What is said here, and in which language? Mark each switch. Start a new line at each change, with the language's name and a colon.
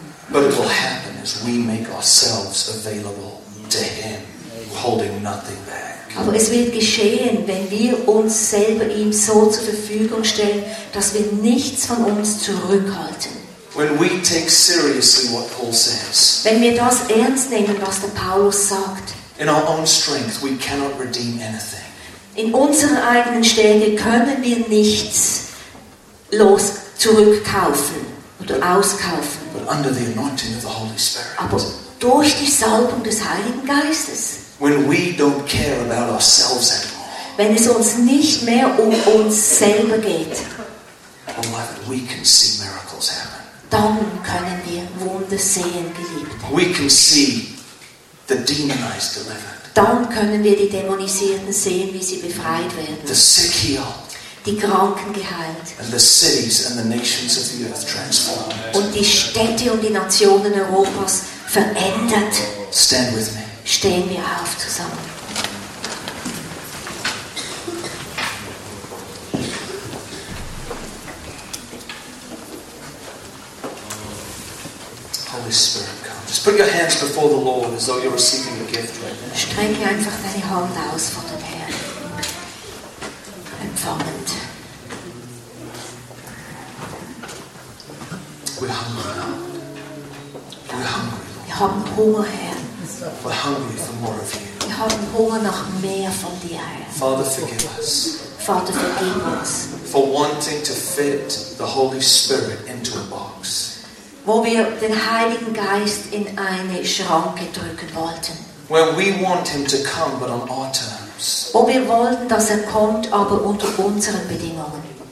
English: But it will happen as we make ourselves available to him, holding nothing back.
German: Aber es wird geschehen, wenn wir uns selber ihm so zur Verfügung stellen, dass wir nichts von uns zurückhalten.
English: When we take seriously what Paul says.
German: Wenn wir das ernst nehmen, was der Paulus sagt.
English: In our own strength we cannot redeem anything.
German: In unserer eigenen Stärke können wir nichts los zurückkaufen oder auskaufen.
English: But under the anointing of the Holy Spirit.
German: Aber durch die Salbung des Heiligen Geistes.
English: When we don't care about ourselves anymore.
German: Wenn es uns nicht mehr um uns selber geht.
English: Beloved, we can see miracles happen.
German: Dann können wir Wunder sehen, Geliebte.
English: We can see the demonized delivered.
German: Dann können wir die Dämonisierten sehen, wie sie befreit werden.
English: The sick healed.
German: Die Kranken geheilt.
English: And the cities and the nations of the earth transformed.
German: Und die Städte und die Nationen Europas verändert.
English: Stand with me.
German: Stehen wir auf zusammen.
English: Holy Spirit, come. Just put your hands before the Lord as though you're receiving a gift right now.
German: Strecke einfach deine Hand aus vor dem Herrn. Empfangend.
English: We're hungry. We're hungry.
German: Wir haben Hunger, Herr.
English: We're hungry for more of you.
German: Wir haben Hunger nach mehr von dir.
English: Father, forgive us.
German: Vater, vergib uns.
English: For wanting to fit the Holy Spirit into a box.
German: Wo wir den Heiligen Geist in eine Schranke drücken wollten.
English: Where we want him to come, but on our terms.
German: Wo wir wollten, dass er kommt, aber unter unseren Bedingungen.